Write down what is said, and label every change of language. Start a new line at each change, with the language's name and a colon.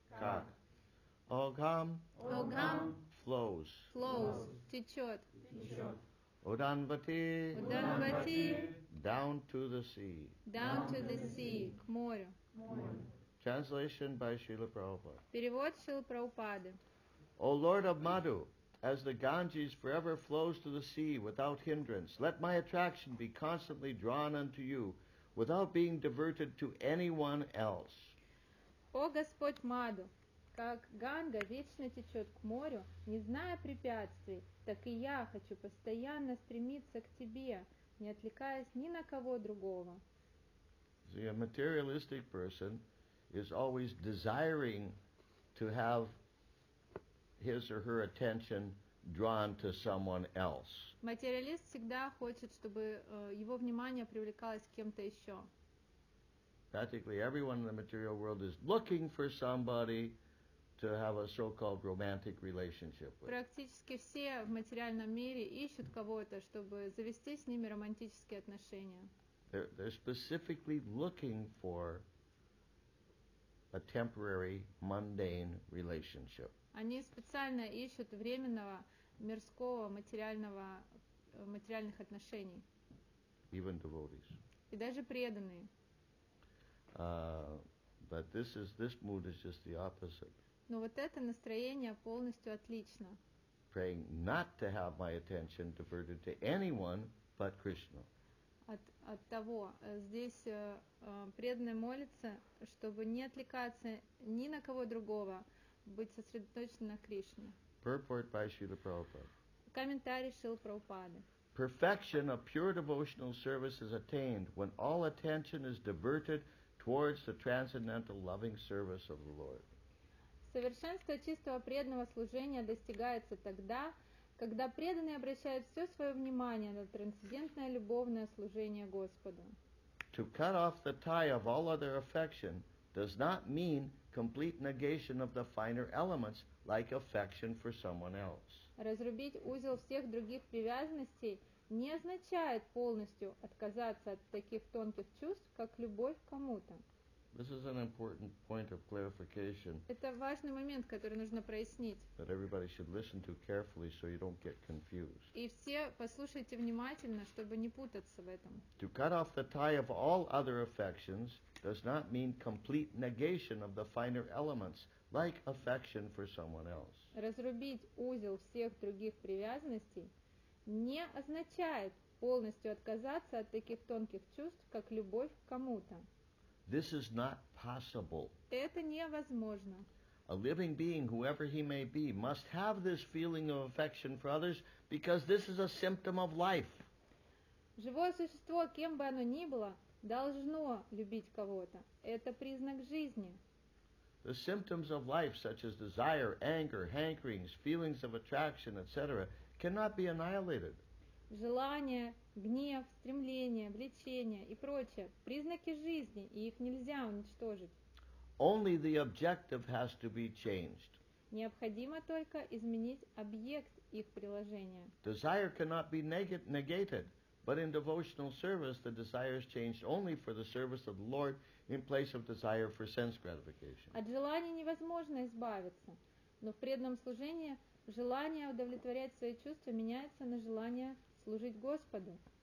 Sanskrit: Как. Огам. Огам.
English: Flows. Flows.
Russian: Течет. Течет.
Sanskrit: Уданвати. Уданвати.
English: Down to the sea. Down to the sea.
Russian: К морю.
English: Translation by Srila Prabhupada.
Russian: Перевод Шрилы Прабхупады.
English: O Lord of Madhu, as the Ganges forever flows to the sea without hindrance, let my attraction be constantly drawn unto you without being diverted to anyone else.
Russian: О Господь Маду, как Ганга вечно течет к морю, не зная препятствий, так и я хочу постоянно стремиться к тебе, не отвлекаясь ни на кого другого.
English: The materialistic person is always desiring to have his or her attention drawn to someone else.
Russian: Материалист всегда хочет, чтобы его внимание привлекалось к кем-то еще.
English: Practically everyone in the material world is looking for somebody to have a so-called romantic relationship with.
Russian: Практически все в материальном мире ищут кого-то, чтобы завести с ними романтические отношения.
English: They're specifically looking for a temporary, mundane relationship.
Russian: Они специально ищут временного, мирского, материального, материальных отношений.
English: Even devotees.
Russian: И даже преданные.
English: But this mood is just the opposite.
Russian: Но вот это настроение полностью отлично.
English: Praying not to have my attention diverted to anyone but Krishna.
Russian: От того, здесь преданные молятся, чтобы не отвлекаться ни на кого другого, быть сосредоточенным на Кришне.
English: Purport by Srila Prabhupada.
Russian: Комментарий Шрилы Прабхупады.
English: Perfection of pure devotional service is attained when all attention is diverted towards the transcendental loving service of the Lord.
Russian: Совершенство чистого преданного служения достигается тогда, когда преданный обращает все свое внимание на трансцендентное любовное служение Господу.
English: To cut off the tie of all other affection does not mean complete negation of the finer elements, like affection for someone else.
Russian: Разрубить узел всех других привязанностей не означает полностью отказаться от таких тонких чувств, как любовь к кому-то.
English: This is an important point of clarification.
Russian: Это важный момент, который нужно прояснить.
English: That everybody should listen to carefully, so you don't get confused.
Russian: И все послушайте внимательно, чтобы не путаться в этом.
English: To cut off the tie of all other affections does not mean complete negation of the finer elements, like affection for someone else.
Russian: Разрубить узел всех других привязанностей не означает полностью отказаться от таких тонких чувств, как любовь к кому-то.
English: This is not possible.
Russian: Это невозможно.
English: A living being, whoever he may be, must have this feeling of affection for others because this is a symptom of life.
Russian: Живое существо, кем бы оно ни было, должно любить кого-то. Это признак жизни.
English: The symptoms of life, such as desire, anger, hankerings, feelings of attraction, etc., cannot be annihilated.
Russian: Желание, гнев, стремление, влечение и прочее – признаки жизни, и их нельзя уничтожить.
English: Only the objective has to be changed.
Russian: Необходимо только изменить объект их приложения.
English: Desire cannot be negated, but in devotional service the desire is changed only for the service of the Lord in place of desire for sense gratification.
Russian: От желания невозможно избавиться, но в преданном служении желание удовлетворять свои чувства меняется на желание служить Господу.